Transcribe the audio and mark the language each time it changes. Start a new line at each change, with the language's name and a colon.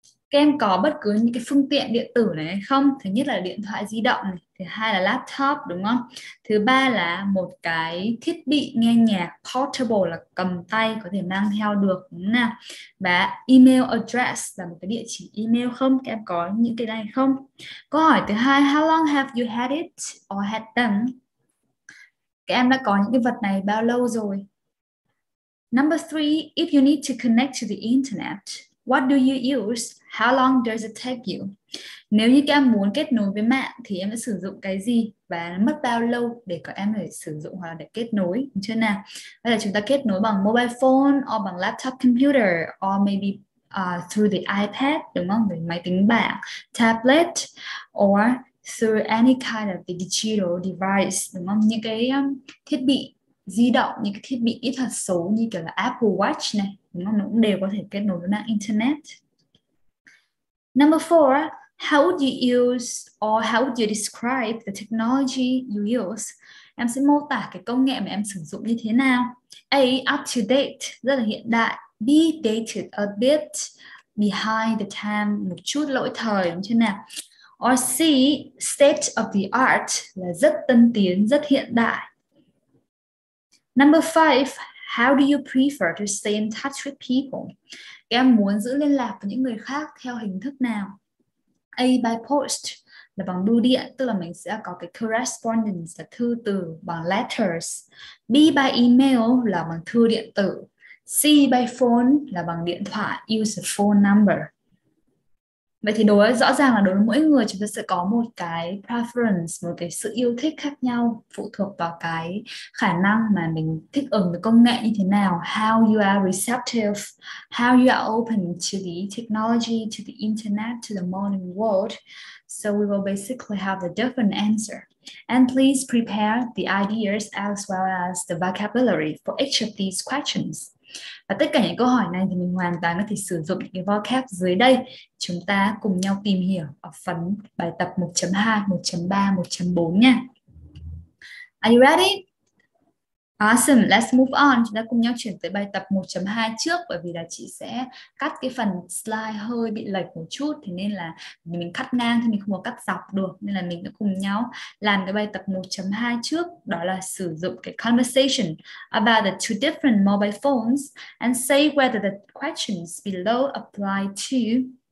Vietnamese: Các em có bất cứ những cái phương tiện điện tử này hay không? Thứ nhất là điện thoại di động này, thứ hai là laptop đúng không? Thứ ba là một cái thiết bị nghe nhạc, portable là cầm tay có thể mang theo được đúng không nào? Và email address là một cái địa chỉ email không? Các em có những cái này không? Câu hỏi thứ hai,
English: how long have you had it or had them?
Vietnamese: Các em đã có những cái vật này bao lâu rồi?
English: Number three, if you need to connect to the internet, what do you use? How long does it take you?
Vietnamese: Nếu như các em muốn kết nối với mạng thì em sẽ sử dụng cái gì và mất bao lâu để các em để sử dụng hoặc là để kết nối, đúng chưa nào? Hay là chúng ta kết nối bằng
English: mobile phone or
Vietnamese: bằng laptop computer
English: or maybe through the iPad,
Vietnamese: đúng không? Với máy tính bảng, tablet
English: or through any kind of digital device,
Vietnamese: đúng không? Những cái thiết bị di động, những cái thiết bị kỹ thuật số như kiểu là Apple Watch này, đúng không? Nó cũng đều có thể kết nối với mạng internet.
English: Number four, how would you use or how would you describe the technology you use?
Vietnamese: Em sẽ mô tả cái công nghệ mà em sử dụng như thế nào.
English: A, up to date,
Vietnamese: rất là hiện đại.
English: be dated a bit behind the time,
Vietnamese: một chút lỗi thời như thế nào.
English: Or C, state of the art,
Vietnamese: là rất tân tiến, rất hiện đại.
English: Number five, how do you prefer to stay in touch with people?
Vietnamese: Em muốn giữ liên lạc với những người khác theo hình thức nào?
English: A, by post,
Vietnamese: là bằng bưu điện, tức là mình sẽ có cái correspondence, là thư từ, bằng letters.
English: B, by email,
Vietnamese: là bằng thư điện tử.
English: C, by phone,
Vietnamese: là bằng điện thoại,
English: use the phone number.
Vietnamese: Vậy thì đối rõ ràng là đối với mỗi người chúng ta sẽ có một cái preference, một cái sự yêu thích khác nhau phụ thuộc vào cái khả năng mà mình thích ứng với công nghệ như thế nào,
English: how you are receptive, how you are open to the technology, to the internet, to the modern world. So we will basically have a different answer. And please prepare the ideas as well as the vocabulary for each of these questions.
Vietnamese: Và tất cả những câu hỏi này thì mình hoàn toàn có thể sử dụng cái vocab dưới đây. Chúng ta cùng nhau tìm hiểu ở phần bài tập 1.2, 1.3, 1.4 nha.
English: Are you ready? Awesome, let's move on.
Vietnamese: Chúng ta cùng nhau chuyển tới bài tập 1.2 trước, bởi vì là chị sẽ cắt cái phần slide hơi bị lệch một chút, thế nên là mình cắt ngang thì mình không có cắt dọc được, nên là mình sẽ cùng nhau làm cái bài tập 1.2 trước, đó là sử dụng cái
English: conversation about the two different mobile phones and say whether the questions below apply to.